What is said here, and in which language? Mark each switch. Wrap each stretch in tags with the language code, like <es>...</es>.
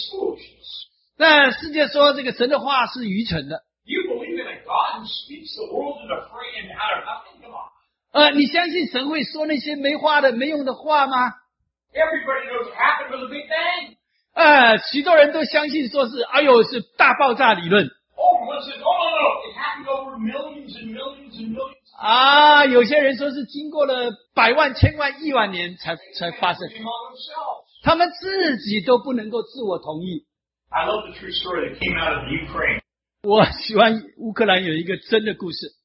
<en>Says, you know, the wisdom of God is foolishness. You believe in a God who speaks the world into free and out of nothing? Come on.</en> <zh>你相信神会说那些没话的、没用的话吗?</zh> <en>Everybody knows what happened with the Big Bang.</en> <zh>许多人都相信说是大爆炸理论。</zh> <en>Oh, no. It happened over millions and millions and millions.</en> <zh>有些人说是经过了百万、千万、亿万年才发生。他们自己都不能够自我同意。</zh> <en>I love the true story that came out of the Ukraine.</en> <zh>我喜欢乌克兰有一个真的故事。</zh>